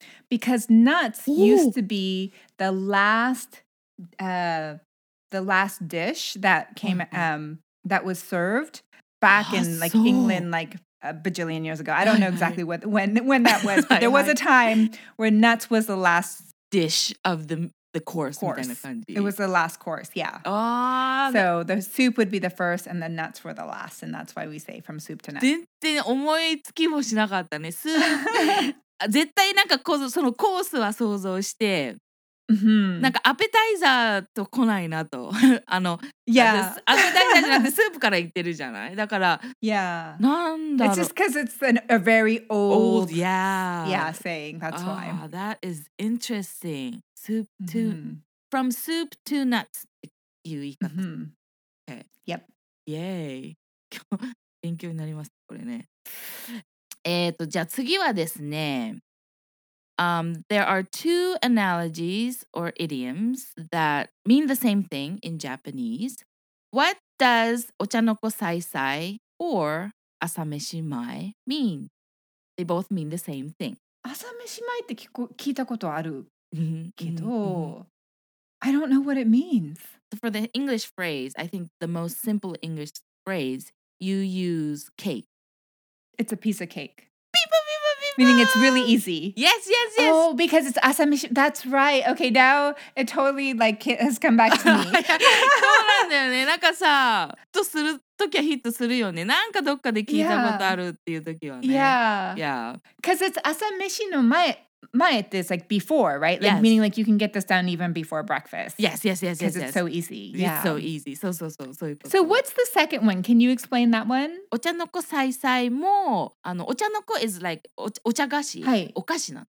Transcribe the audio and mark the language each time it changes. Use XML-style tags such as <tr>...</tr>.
<en>Because nuts used to be the last dish that came, that was served back in like England, like... A bajillion years ago. I don't know exactly when that was, but there was a time where nuts was the last dish of the course. It was the last course, yeah. So the soup would be the first and the nuts were the last. And that's why we say from soup to nuts.</en> <ja>全然思いつきもしなかったね。スープ。絶対なんかそのコースは想像して、なんかアペタイザーと来ないなと。あの、</ja> <en>yeah.</en> <ja>アペタイザーじゃなくてスープから言ってるじゃない？だから、</ja> <en>yeah.</en> <ja>なんだろう。</ja> <en>It's just because it's a very old yeah. Yeah, saying. That's why. That is interesting. Soup to, from soup to nuts. You eat nuts. Okay. Yep. Yay.</en> <ja>勉強になりました、これね。じゃあ次はですね、</ja> <en>There are two analogies or idioms that mean the same thing in Japanese. What does ochanoko sai sai or asameshi mai mean? They both mean the same thing. Asameshi mai</en> <ja>って聞いたことある けど</ja> <en>I don't know what it means. So for the English phrase, I think the most simple English phrase, you use cake. It's a piece of cake. Beep, beep, beep, beep. Meaning it's really easy. Yes, yes, yes. Oh, because it's asameshi. That's right. Okay, now it totally like has come back to me.</en> <ja>そうなんだよね。なんかさ、ヒットするときはヒットするよね。なんかどっかで聞いたことあるっていうときはね。</ja> <en>Yeah. Yeah. Because it's asameshi no mai. Mai it is like before, right? Like, yes. Meaning like you can get this done even before breakfast. Yes, yes, yes, yes. Because it's so easy. Yeah. It's so easy. So. So what's the second one? Can you explain that one?</en> <ja>Ocha no ko sai sai mo. Ocha no ko is like ocha gashi. Okashi na.</ja>